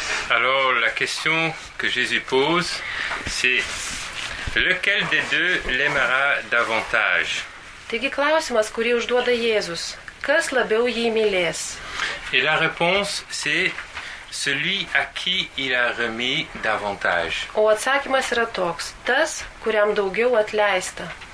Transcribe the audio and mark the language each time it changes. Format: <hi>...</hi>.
<fr>Alors, la question que Jésus pose, c'est lequel des deux l'aimera davantage?</fr> <lt>Taigi klausimas, kurį užduoda Jėzus. Kas labiau jį mylės?</lt> <fr>Et la réponse, c'est celui à qui il a remis davantage.</fr> <lt>O atsakymas yra toks, tas, kuriam daugiau atleista.</lt>